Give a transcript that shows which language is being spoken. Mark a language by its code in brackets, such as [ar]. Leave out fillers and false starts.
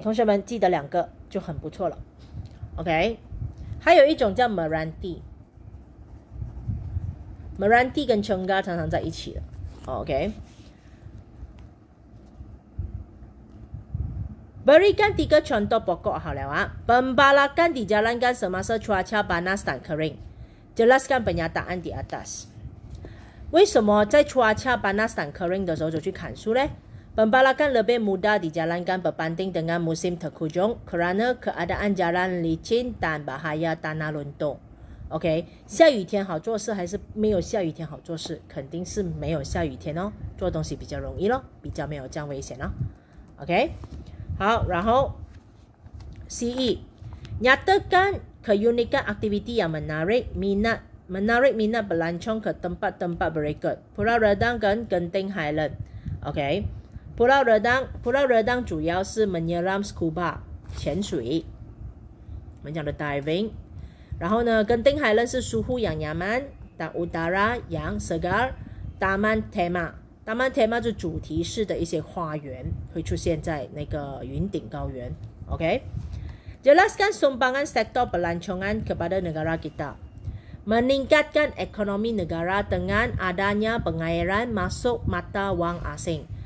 [zh] 同学们记得两个就很不错了。Okay. 还有一种叫 Meranti， Meranti 跟 Chengga 常常在一起的 ，OK。 [ms] Berikan tiga contoh pokok， [zh] 好了啊。 [ms] Pembalakan dijalankan semasa cuaca panas dan kering. Jelaskan pernyataan di atas. [zh] 为什么在 [ms] cuaca panas dan kering [zh] 的时候就去砍树呢？ [ms] Pembalakan lebih mudah dijalankan berbanding dengan musim terkujung kerana keadaan jalan licin dan bahaya tanah luntur. [zh] OK, 下雨天好做事还是没有下雨天好做事？肯定是没有下雨天哦，做东西比较容易咯，比较没有这样危险哦。 [ms] OK, [zh] 好，然后 [ms] CE, nyatakan keunikan aktiviti yang menarik minat berlancong ke tempat-tempat berikut, Pulau Redang dan Genting Highland. OK. [zh] Pulau Redang 主要是 [ms] menyelam scuba [zh] 潜水，我们讲的 diving。然后呢，跟丁海伦是 [ms] suhu yang nyaman dan udara yang segar， taman tema [zh] 就主题式的一些花园会出现在那个云顶高原。 [ms] OK， jelaskan sumbangan sektor pelancongan kepada negara kita， meningkatkan ekonomi negara dengan adanya pengairan masuk mata wang asing。